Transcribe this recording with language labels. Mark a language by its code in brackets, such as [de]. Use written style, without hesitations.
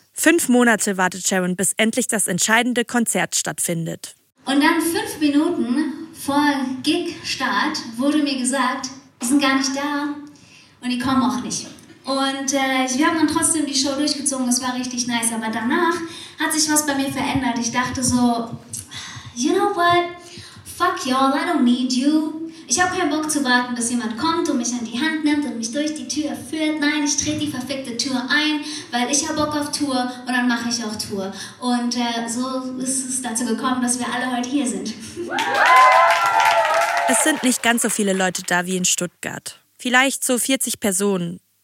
[de] 5 Monate wartet Sharon, bis endlich das entscheidende Konzert stattfindet. Und dann 5 Minuten vor Gig-Start wurde mir gesagt, die sind gar nicht da und die kommen auch nicht. Und wir haben dann trotzdem die Show durchgezogen, es war richtig nice. Aber danach hat sich was bei mir verändert. Ich dachte so, [en] you know what, fuck y'all, I don't need you. [de] Ich habe keinen Bock zu warten, bis jemand kommt und mich an die Hand nimmt und mich durch die Tür führt. Nein, ich trete die verfickte Tür ein, weil ich habe Bock auf Tour und dann mache ich auch Tour. Und so ist es dazu gekommen, dass wir alle heute hier sind. Es sind nicht ganz so viele Leute da wie in Stuttgart. Vielleicht so 40 Personen.